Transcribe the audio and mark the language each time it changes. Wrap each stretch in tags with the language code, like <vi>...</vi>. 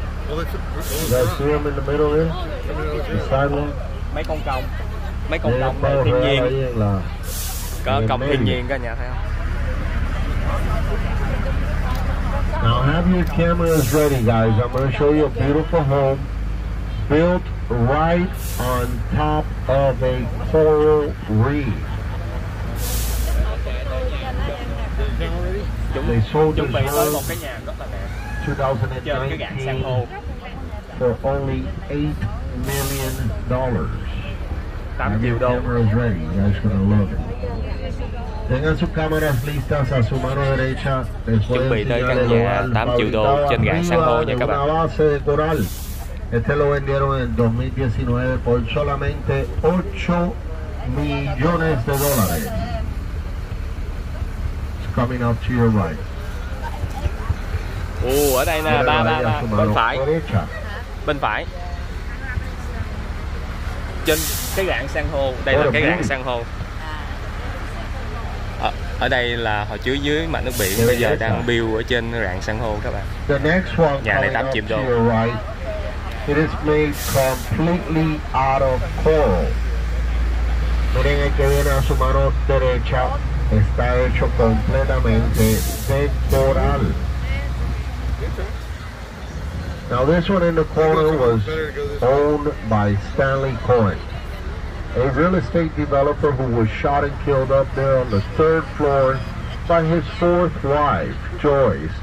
<en>You guys see them in the middle here? The sidewalk?</en> <vi>Mấy con công thiên nhiên. Thiên nhiên là có công thiên nhiên cả nhà thấy không?</vi> <en>Now have your cameras ready, guys. I'm going to show you a beautiful home built right on top of a coral reef. They sold this home 2019 for only $8 million. Have your cameras ready. You guys are going to love it.</en> <es>Tengan sus cámaras listas a su mano derecha.</es> <vi>Chuẩn bị tới căn nhà 8 triệu đô trên gãy san hô nha các bạn.</vi> <es>Una base de coral. Este lo vendieron en 2019 por solamente 8 millones de dólares.</es> <en>It's coming up to your right.</en> <vi>Ở đây nè, ba. Bên phải</vi> <es>derecha.</es> <vi>Bên phải. Trên cái gãy san hô. Đây là cái gãy san hô. Ở đây là hồi trước dưới mặt nước biển, bây giờ đang build ở trên rạn san hô các bạn.</vi> <en>The next one,</en> <vi>nhà này 8 triệu đô.</vi> <en>Right. It is made completely out of coral.</en> <es>Miren el que viene a su mano derecha, está hecho completamente de coral.</es> <en>Now this one in the corner was owned by Stanley Cohen. A real estate developer who was shot and killed up there on the third floor by his fourth wife, Joyce.</en>